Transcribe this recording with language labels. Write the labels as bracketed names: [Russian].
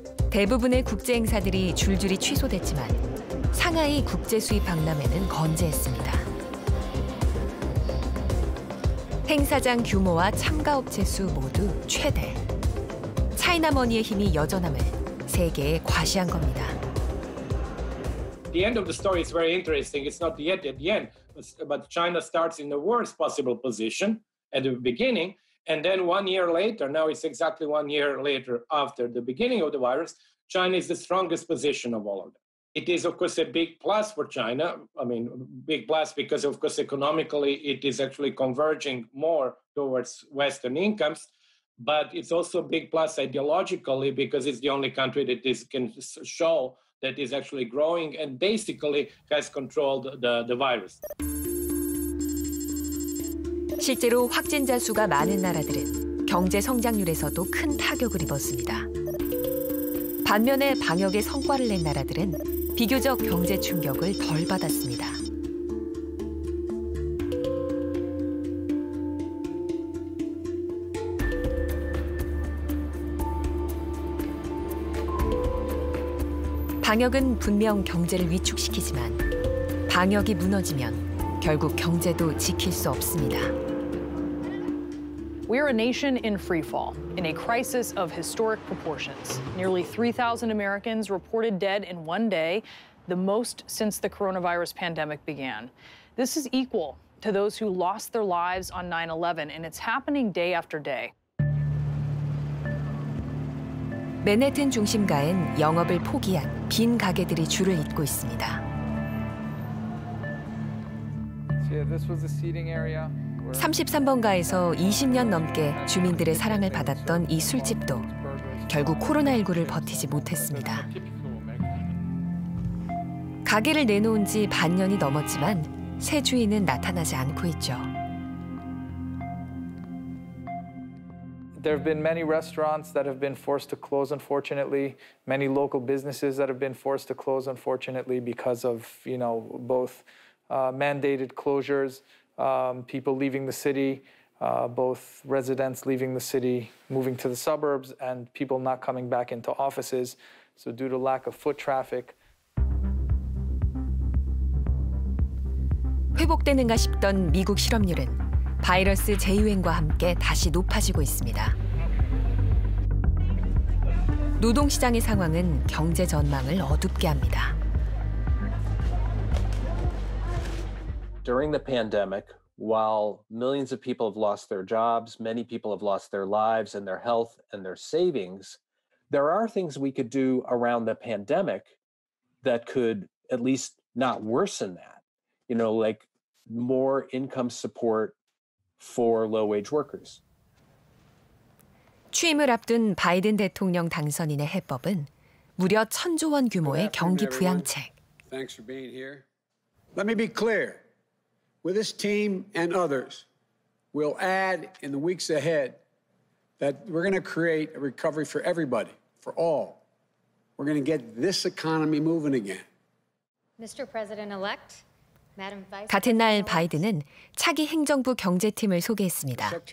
[Korean] 대부분의 국제 행사들이 줄줄이 취소됐지만 상하이 국제 수입 박람회는 건재했습니다. 행사장 규모와 참가 업체 수 모두 최대. 차이나머니의 힘이 여전함을 세계에 과시한 겁니다. [English] The end of the story is very interesting. It's not yet at the end, but China starts in the worst possible position at the beginning. And then 1 year later, now it's exactly 1 year later after the beginning of the virus, China is the strongest position of all of them. It is, of course, a big plus for China. I mean, big plus because, of course, economically, it is actually converging more towards Western incomes. But it's also a big plus ideologically because it's the only country that this can show that is actually growing and basically has controlled the virus. [Korean] 실제로 확진자 수가 많은 나라들은 경제 성장률에서도 큰 타격을 입었습니다. 반면에 방역에 성과를 낸 나라들은 비교적 경제 충격을 덜 받았습니다. 방역은 분명 경제를 위축시키지만 방역이 무너지면 결국 경제도 지킬 수 없습니다. [English] We're a nation in freefall, in a crisis of historic proportions. Nearly 3,000 Americans reported dead in one day, the most since the coronavirus pandemic began. This is equal to those who lost their lives on 9/11, and it's happening day after day. [Korean] 맨해튼 중심가엔 영업을 포기한 빈 가게들이 줄을 잇고 있습니다. [English] Yeah, this was the seating area. [Korean] 33번가에서 20년 넘게 주민들의 사랑을 받았던 이 술집도 결국 코로나19를 버티지 못했습니다. 가게를 내놓은 지 반년이 넘었지만 새 주인은 나타나지 않고 있죠. [English] There have been many restaurants that have been forced to close, unfortunately. Many local businesses that have been forced to close, unfortunately, because of, you know, both mandated closures, people leaving the city, both residents leaving the city, moving to the suburbs, and people not coming back into offices. So due to lack of foot traffic. [Korean] 회복되는가 싶던 미국 실업률은 바이러스 재유행과 함께 다시 높아지고 있습니다. 노동시장의 상황은 경제 전망을 어둡게 합니다. [English] During the pandemic, while millions of people have lost their jobs, many people have lost their lives and their health and their savings, there are things we could do around the pandemic that could at least not worsen that. You know, like more income support for low-wage workers. [Korean] 취임을 앞둔 바이든 대통령 당선인의 해법은 무려 천조 원 규모의 경기 부양책. [English] Thanks for being here. Let me be clear. With this team and others, we'll add in the weeks ahead that we're going to create a recovery for everybody, for all. We're going to get this economy moving again. Mr. President-elect, Madam Vice. [Korean] 같은 날 바이든은 차기 행정부 경제팀을 소개했습니다.